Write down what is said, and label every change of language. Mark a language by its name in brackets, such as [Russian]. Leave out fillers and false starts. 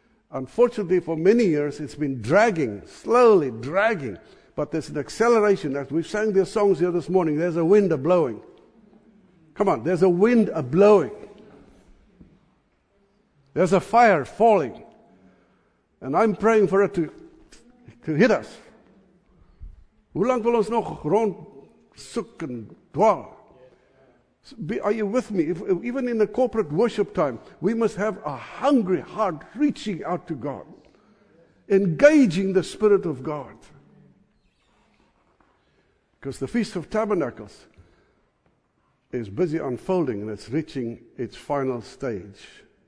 [English] Unfortunately, for many years, it's been dragging, slowly dragging. But there's an acceleration. As we sang their songs here this morning, there's a wind a-blowing. Come on, there's a wind a-blowing. There's a fire falling. And I'm praying for it to hit us. [Afrikaans] Hoe lang wil ons nog rond soek en dwaal? [English] Are you with me? If even in the corporate worship time, we must have a hungry heart reaching out to God, engaging the Spirit of God. Because the Feast of Tabernacles is busy unfolding and it's reaching its final stage.